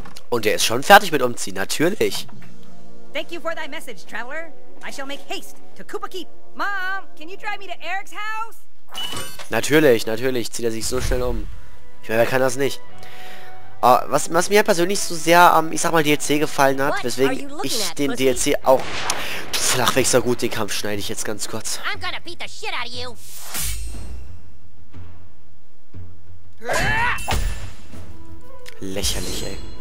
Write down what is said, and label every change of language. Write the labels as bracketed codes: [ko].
[de] Und er ist schon fertig mit Umziehen, natürlich. [en] Thank you for thy message, traveler. I shall make haste to Koopa Keep. Mom, can you drive me to Eric's house? [de] Natürlich, natürlich zieht er sich so schnell um. Ich meine, wer kann das nicht? Was mir persönlich so sehr am, ich sag mal, DLC gefallen hat, weswegen ich den DLC auch... Flachwächser gut, den Kampf schneide ich jetzt ganz kurz. [en] I'm gonna beat the shit out of you. [de] Lächerlich, ey.